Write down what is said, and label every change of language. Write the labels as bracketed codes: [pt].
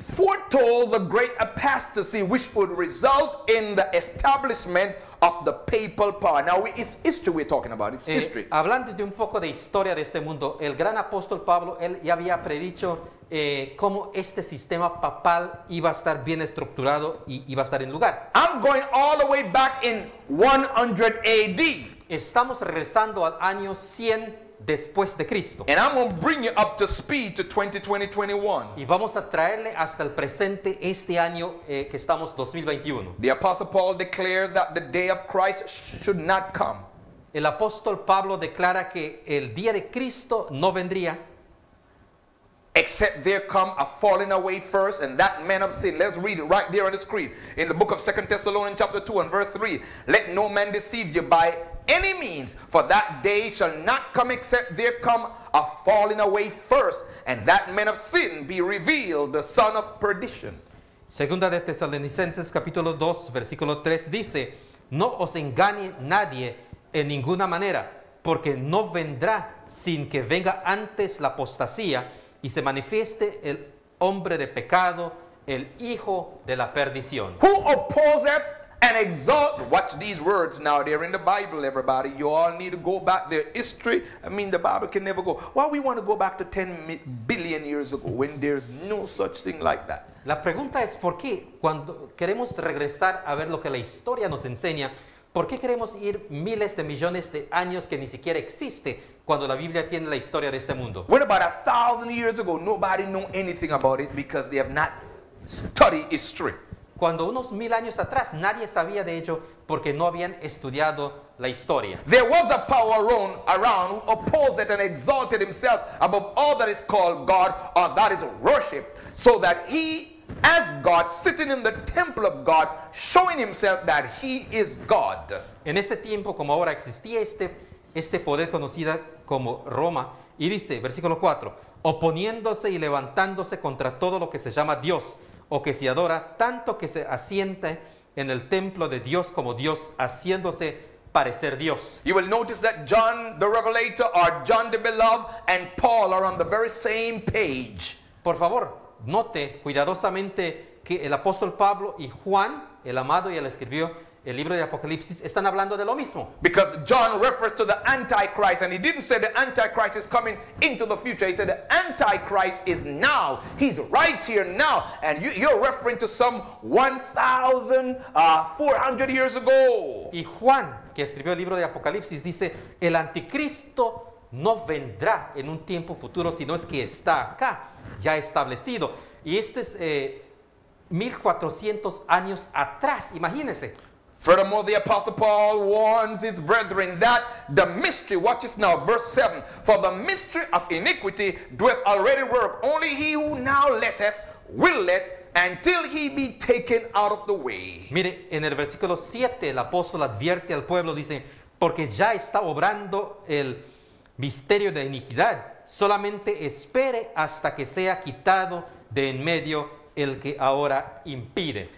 [en] Foretold the great apostasy which would result in the establishment of the papal power. Now it's history we're talking about. It's history. [es] Hablando de un poco de historia de este mundo, el gran apóstol Pablo, él ya había predicho cómo este sistema papal iba a estar bien estructurado y iba a estar en lugar. [en] I'm going all the way back in 100 AD. [es] Estamos regresando al año 100 después de Cristo. [en] And I'm going to bring you up to speed to 2020-21. [es] Y vamos a traerle hasta el presente este año que estamos 2021. [en] The Apostle Paul declared that the day of Christ should not come. [es] El apóstol Pablo declara que el día de Cristo no vendría. [en] Except there come a falling away first, and that man of sin. Let's read it right there on the screen. In the book of 2 Thessalonians chapter 2 and verse 3. Let no man deceive you by any means, for that day shall not come except there come a falling away first, and that man of sin be revealed, the son of perdition. [es] Segunda de Tesalonicenses capítulo 2 versículo 3 dice, no os engañe nadie en ninguna manera, porque no vendrá sin que venga antes la apostasía y se manifieste el hombre de pecado, el hijo de la perdición. [en] Who opposeth and exalt, watch these words now, they're in the Bible, everybody. You all need to go back there. History, I mean, the Bible can never go. Why we want to go back to 10 billion years ago when there's no such thing like that? [es] La pregunta es, ¿por qué cuando queremos regresar a ver lo que la historia nos enseña, ¿por qué queremos ir miles de millones de años que ni siquiera existe cuando la Biblia tiene la historia de este mundo? [en] What about 1,000 years ago? Nobody knew anything about it because they have not studied history. [es] Cuando unos mil años atrás nadie sabía de ello porque no habían estudiado la historia. [en] There was a power around who opposed and exalted himself above all that is called God or that is worshipped, so that he, as God, sitting in the temple of God, showing himself that he is God. [es] En ese tiempo, como ahora, existía este poder conocido como Roma. Y dice, versículo 4, oponiéndose y levantándose contra todo lo que se llama Dios, o que se adora, tanto que se asiente en el templo de Dios como Dios, haciéndose parecer Dios. [en] You will notice that John the Revelator, or John the Beloved, and Paul are on the very same page. [es] Por favor, note cuidadosamente que el apóstol Pablo y Juan, el amado y el escribió, el libro de Apocalipsis están hablando de lo mismo. [en] Because John refers to the Antichrist, and he didn't say the Antichrist is coming into the future. He said the Antichrist is now. He's right here now. And you're referring to some 1,400 years ago. [es] Y Juan, que escribió el libro de Apocalipsis, dice el anticristo no vendrá en un tiempo futuro, sino es que está acá, ya establecido. Y este es 1,400 años atrás. Imagínense. [en] Furthermore, the Apostle Paul warns his brethren that the mystery, watch this now, verse 7, for the mystery of iniquity doeth already work. Only he who now letteth will let until he be taken out of the way. [es] Mire, en el versículo 7, el apóstol advierte al pueblo, dice, porque ya está obrando el misterio de iniquidad. Solamente espere hasta que sea quitado de en medio el que ahora impide.